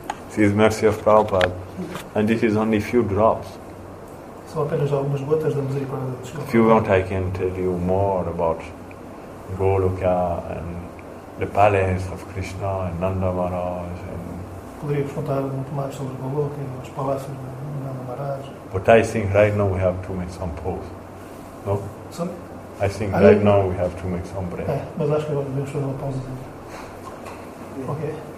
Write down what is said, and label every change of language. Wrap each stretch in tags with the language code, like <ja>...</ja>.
<en>This is mercy of Prabhupada. And this is only a few drops.</en> <pt>São apenas algumas gotas da misericórdia.</pt> <en>If you want, I can tell you more about Goloka and the palace of Krishna and Nanda Maharaj.</en> <pt>Poderíamos contar muito mais sobre Goloka e os palácios de Nanda Maharaj.</pt> <en>But I think right now we have to make some pause. No? Sorry? I think right now we have to make some break.</en> <pt>Mas acho que agora devemos fazer uma pausa. Ok.</pt>